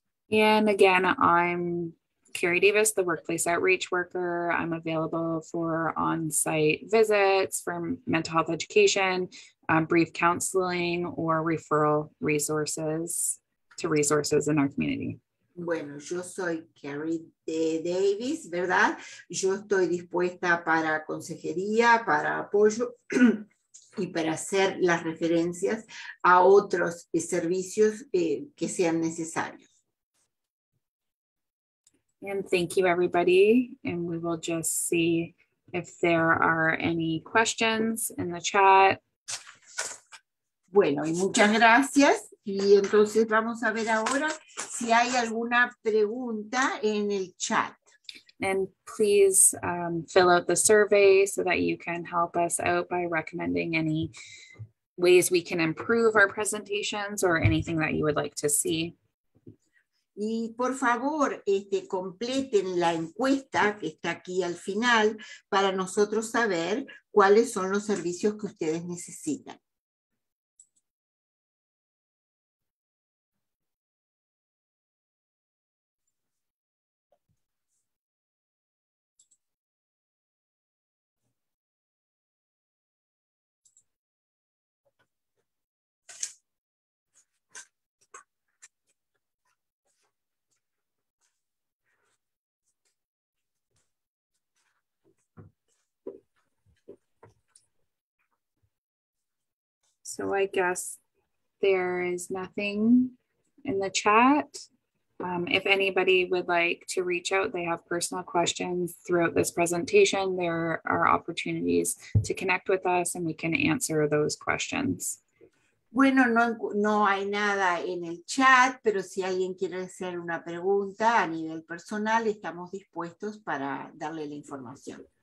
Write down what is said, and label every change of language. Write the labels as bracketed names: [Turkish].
[English] And again, I'm Carrie Davis, the workplace outreach worker. I'm available for on-site visits, for mental health education, brief counseling, or referral resources to resources in our community. [Spanish] Bueno, yo soy Carrie Davis, ¿verdad? Yo estoy dispuesta para consejería, para apoyo, y para hacer las referencias a otros servicios que sean necesarios. [English] And thank you, everybody. And we will just see if there are any questions in the chat. [Spanish] Bueno, y muchas gracias. Y entonces vamos a ver ahora si hay alguna pregunta en el chat. [English] And please fill out the survey so that you can help us out by recommending any ways we can improve our presentations or anything that you would like to see. [Spanish] Y por favor, completen la encuesta que está aquí al final para nosotros saber cuáles son los servicios que ustedes necesitan. [English] So I guess there is nothing in the chat. If anybody would like to reach out, they have personal questions throughout this presentation, there are opportunities to connect with us and we can answer those questions. [Spanish] Bueno, no hay nada en el chat, pero si alguien quiere hacer una pregunta a nivel personal, estamos dispuestos para darle la información.